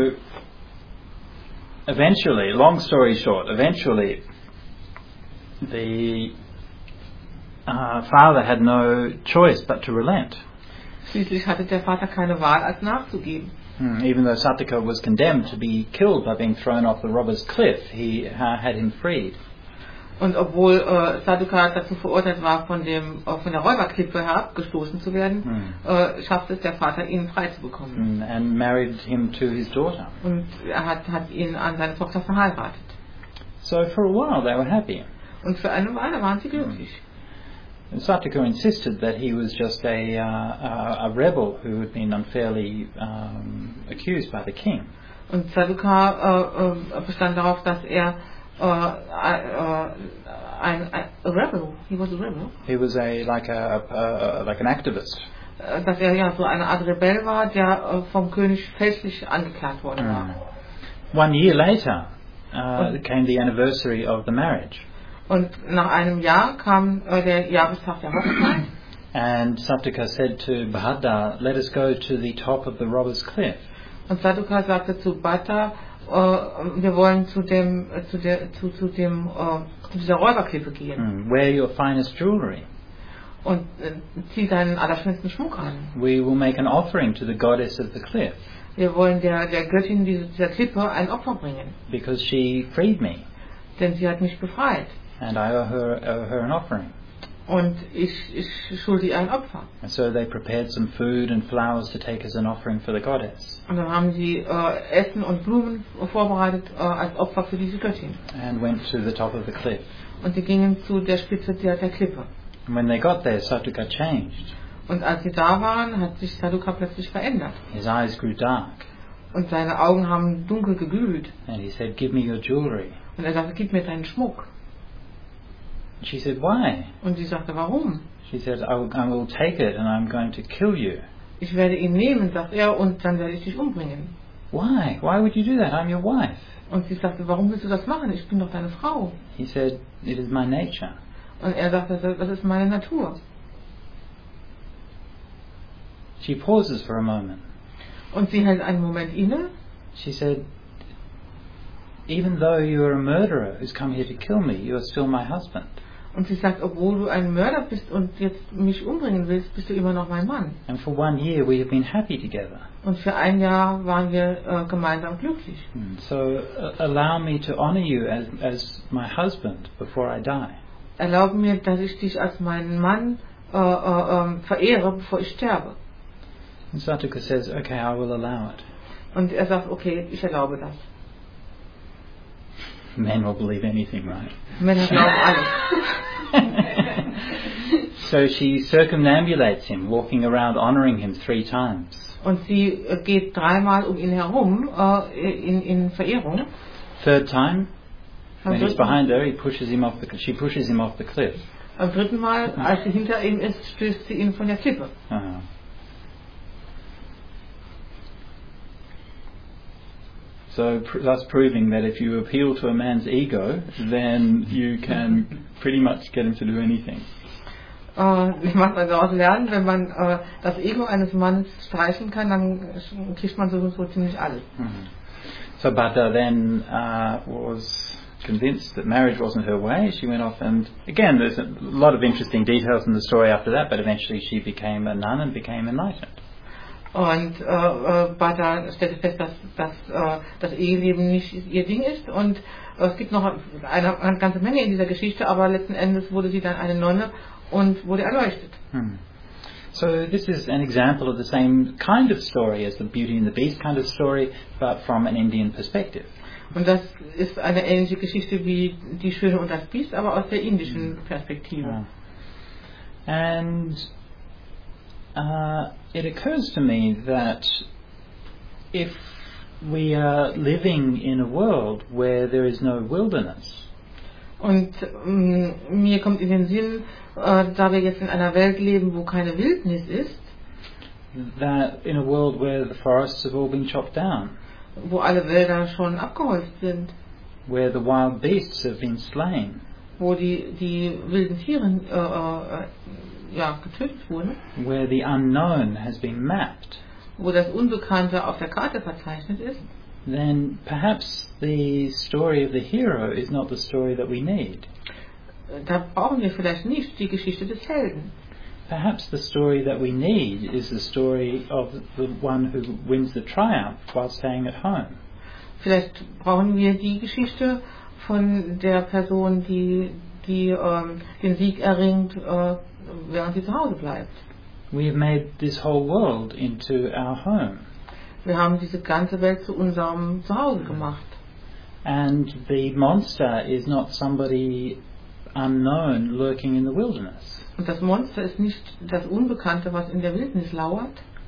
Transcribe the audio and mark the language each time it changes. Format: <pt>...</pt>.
<en>So, eventually, long story short, eventually, the father had no choice but to relent.</en> <de>Schließlich hatte der Vater keine Wahl, als nachzugeben.</de> <en>Even though Satuka was condemned to be killed by being thrown off the robber's cliff, he had him freed.</en> <de>Und obwohl Satuka dazu verurteilt war, von der Räuberklippe herabgestoßen zu werden, schaffte es der Vater, ihn frei zu bekommen.</de> <en>And married him to his daughter.</en> <de>Und er hat ihn an seine Tochter verheiratet.</de> <en>So for a while they were happy.</en> <de>Und für eine Weile waren sie glücklich.</de> <en>And Satuka insisted that he was just a rebel who had been unfairly accused by the king.</en> <de>Und Satuka bestand darauf, dass er</de> <en>a rebel. He was a rebel. He was an activist.</en> <de>Dass er ja so eine Art Rebell war, der vom König fälschlich angeklagt worden war.</de> <en>One year later came the anniversary of the marriage.</en> <de>Und nach einem Jahr kam der Jahrestag der Hochzeit.</de> <en>And Satuka said to Bahadur, "Let us go to the top of the robber's cliff."</en> <de>Und Sadhuka sagte zu Bhatta, wir wollen zu dieser Räuberklippe gehen.</de> <en>Wear your finest jewelry.</en> <de>Und zieh deinen allerschönsten Schmuck an.</de> <en>We will make an offering to the goddess of the cliff.</en> <de>Wir wollen der Göttin dieser Klippe ein Opfer bringen.</de> <en>Because she freed me.</en> <de>Denn sie hat mich befreit.</de> <en>And I owe her an offering.</en> <de>Und ich schulde ihr ein Opfer.</de> <en>And so they prepared some food and flowers to take as an offering for the goddess.</en> <de>Und dann haben sie Essen und Blumen vorbereitet als Opfer für diese Göttin.</de> <en>And went to the top of the cliff.</en> <de>Und sie gingen zu der Spitze der Klippe.</de> <en>And when they got there, Sadhuka changed.</en> <de>Und als sie da waren, hat sich Sadhuka plötzlich verändert.</de> <en>His eyes grew dark.</en> <de>Und seine Augen haben dunkel geglüht.</de> <en>And he said, "Give me your jewelry."</en> <de>Und er sagte, gib mir deinen Schmuck.</de> <en>She said, "Why?"</en> <de>Und sie sagte, warum?</de> <en>She said, "I will take it and I'm going to kill you."</en> <de>Ich werde ihn nehmen, sagt er, und dann werde ich dich umbringen.</de> <en>Why? Why would you do that? I'm your wife.</en> <de>Und sie sagte, warum willst du das machen? Ich bin doch deine Frau.</de> <en>He said, "It is my nature."</en> <de>Und er sagte, das ist meine Natur.</de> <en>She pauses for a moment.</en> <de>Und sie hält einen Moment inne.</de> <en>She said, "Even though you are a murderer who's come here to kill me, you are still my husband."</en> <de>Und sie sagt, obwohl du ein Mörder bist und jetzt mich umbringen willst, bist du immer noch mein Mann.</de> <en>And for 1 year we have been happy together.</en> <de>Und für ein Jahr waren wir gemeinsam glücklich.</de> <en>So allow me to honor you as my husband before I die.</en> <de>Erlaub mir, dass ich dich als meinen Mann verehre, bevor ich sterbe.</de> <en>And Sadhuka says, "Okay, I will allow it."</en> <de>Und er sagt, okay, ich erlaube das.</de> <en>Men will believe anything, right?</en> <de>Men glauben alles.</de> <en>So she circumambulates him, walking around honoring him 3 times.</en> <de>Und sie geht dreimal um ihn herum in Verehrung.</de> <en>Third time, when he's behind her, she pushes him off the cliff.</en> <de>Am dritten Mal, als sie hinter ihm ist, stößt sie ihn von der Klippe.</de> <en>So, thus proving that if you appeal to a man's ego, then you can pretty much get him to do anything.</en> <de>Wie macht man daraus lernen, wenn man das Ego eines Mannes streichen kann, dann kriegt man sowieso ziemlich alles.</de> <en>So, Bhatta then was convinced that marriage wasn't her way. She went off, and again, there's a lot of interesting details in the story after that. But eventually, she became a nun and became enlightened.</en> <de>Und Bhatta stellte fest, dass das Eheleben nicht ihr Ding ist. Und es gibt noch eine ganze Menge in dieser Geschichte, aber letzten Endes wurde sie dann eine Nonne und wurde erleuchtet.</de> <en>So this is an example of the same kind of story as the Beauty and the Beast kind of story, but from an Indian perspective.</en> <de>Und das ist eine ähnliche Geschichte wie Die Schöne und das Biest, aber aus der indischen Perspektive.</de> <en>And it occurs to me that if we are living in a world where there is no wilderness,</en> <de>und mir kommt in den Sinn, da wir jetzt in einer Welt leben, wo keine Wildnis ist,</de> <en>that in a world where the forests have all been chopped down,</en> <de>wo alle Wälder schon abgeholzt sind,</de> <en>where the wild beasts have been slain,</en> <de>wo die wilden Tiere getötet wurden,</de> <en>where the unknown has been mapped,</en> <de>wo das Unbekannte auf der Karte verzeichnet ist,</de> <en>then perhaps the story of the hero is not the story that we need.</en> <de>Da brauchen wir vielleicht nicht die Geschichte des Helden.</de> <en>Perhaps the story that we need is the story of the one who wins the triumph while staying at home.</en> <de>Vielleicht brauchen wir die Geschichte von der Person, die den Sieg erringt, während sie zu Hause bleibt.</de> <en>We have made this whole world into our home.</en> <de>Wir haben diese ganze Welt zu unserem Zuhause gemacht.</de> <en>And the monster is not somebody unknown lurking in the wilderness.</en> <de>Und das Monster ist nicht das Unbekannte, was in der Wildnis lauert.</de>